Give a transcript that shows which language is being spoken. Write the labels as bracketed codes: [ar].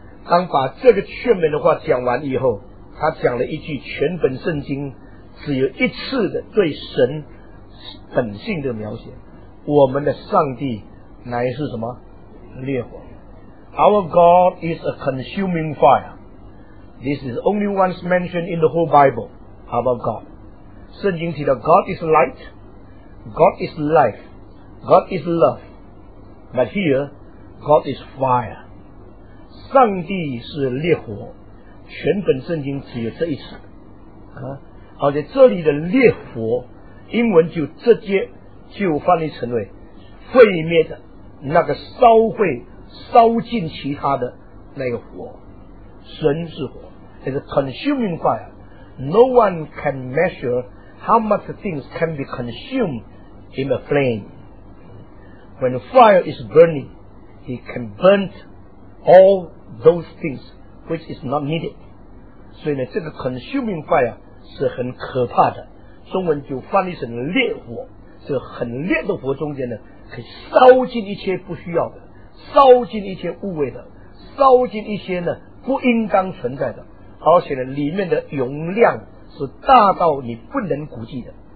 [zh] 当把这个劝勉的话讲完以后，他讲了一句全本圣经只有一次的对神本性的描写，我们的上帝乃是什么？烈火。 [en] Our God is a consuming fire. This is only once mentioned in the whole Bible. Our God. [zh] 圣经提到 [en] God is light, God is life, God is love. But here, God is fire. [zh] 上帝是烈火，全本圣经只有这一次。而且这里的烈火英文就直接就翻译成为毁灭的那个烧毁烧尽其他的那个火。神是火， [en] It's a consuming fire. No one can measure how much things can be consumed in a flame. When the fire is burning, he can burn all those things which is not needed. [zh] 所以呢，这个 consuming fire是很可怕的，中文就翻译成烈火，这很烈的火中间呢，可以烧尽一切不需要的，烧尽一切无谓的，烧尽一些呢不应当存在的，而且呢里面的容量是大到你不能估计的。